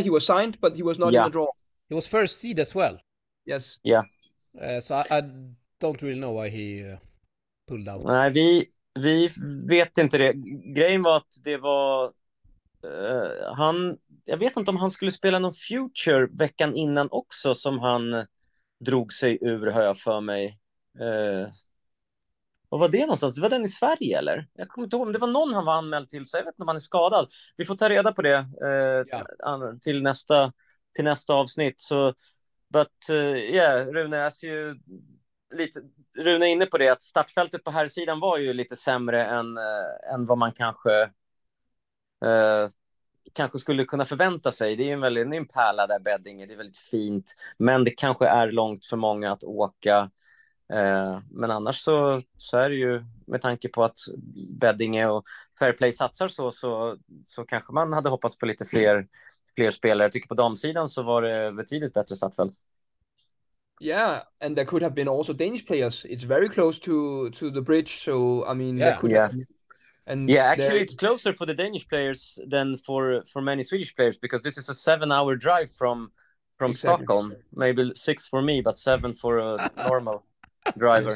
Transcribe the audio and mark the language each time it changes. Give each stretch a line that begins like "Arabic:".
English: He was signed, but he was not in the draw. he was first seed as well. Yes. Yeah. So I don't really know why he pulled out.
Swedish: Nej, vi vet inte det. Grejen var att det var han. Jag vet inte om han skulle spela någon future veckan innan också som han drog sig ur, har jag för mig. Och var det någonstans? Var den i Sverige eller? Jag kommer inte ihåg, men det var någon han var anmäld till, så jag vet inte om han är skadad. Vi får ta reda på det Ja. till nästa avsnitt. Så,
English: but yeah, Rune, as you,
Swedish: lite, Rune är inne på det, att startfältet på här sidan var ju lite sämre än vad man kanske kanske skulle kunna förvänta sig. Det är ju en pärla där, Beddinge. Det är väldigt fint, men det kanske är långt för många att åka. Men annars så är det ju, med tanke på att Beddinge och Fairplay satsar så kanske man hade hoppats på lite fler spelare. Jag tycker på damsidan så var det betydligt bättre startfält.
English: Yeah, and there could have been also Danish players. It's very close to the bridge, so I mean there could have been, and Yeah, actually, it's closer for the Danish players than for many Swedish players, because this is a 7-hour drive from Exactly. Stockholm. Maybe 6 for me, but 7 for a normal driver.